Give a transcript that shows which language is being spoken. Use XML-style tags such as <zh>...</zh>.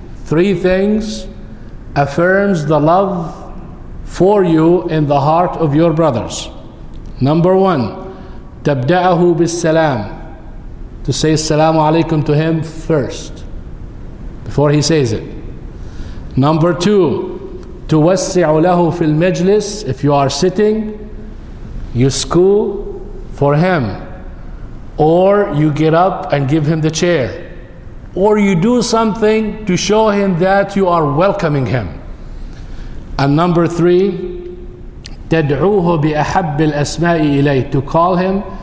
<en>Three things affirms the love for you in the heart of your brothers. Number one,</en> <ar>تَبْدَأَهُ بِالسَّلَامِ.</ar> <en>To say assalamu alaykum to him first, before he says it. Number two,</en> <ar>تُوَسِّعُ لَهُ فِي الْمَجْلِسِ.</ar> <en>If you are sitting, you scoo for him. Or you get up and give him the chair. Or you do something to show him that you are welcoming him. And number three,</en> <ar>تَدْعُوهُ بِأَحَبِّ الْأَسْمَاءِ إِلَيْهِ.</ar> <en>To call him</en>